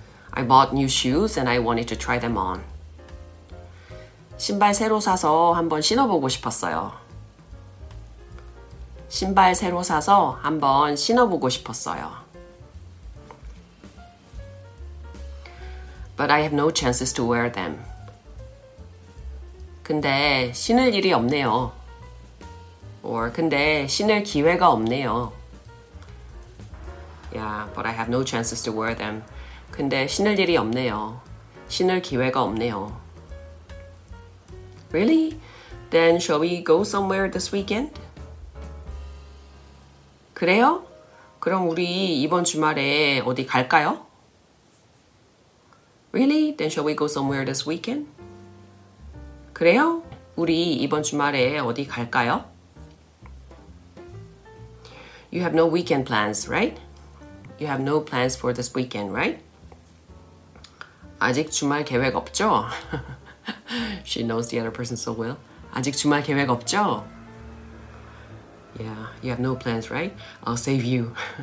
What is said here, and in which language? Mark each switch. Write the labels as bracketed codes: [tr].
[en] I bought new shoes and I wanted to try them on. [ko] 신발 새로 사서 한번 신어보고 싶었어요. 신발 새로 사서 한번 신어보고 싶었어요. [en] But I have no chances to wear them. [ko] 근데 신을 일이 없네요. [en] Or [ko] 근데 신을 기회가 없네요. [en] Yeah, but I have no chances to wear them. [ko] 근데 신을 일이 없네요. 신을 기회가 없네요. [en] Really? Then shall we go somewhere this weekend? [ko] 그래요? 그럼 우리 이번 주말에 어디 갈까요? [en] Really? Then shall we go somewhere this weekend? [ko] 그래요? 우리 이번 주말에 어디 갈까요? [en] You have no weekend plans, right? You have no plans for this weekend, right? [ko] 아직 주말 계획 없죠? [en] She knows the other person so well. [ko] 아직 주말 계획 없죠? [en] Yeah, you have no plans, right? I'll save you.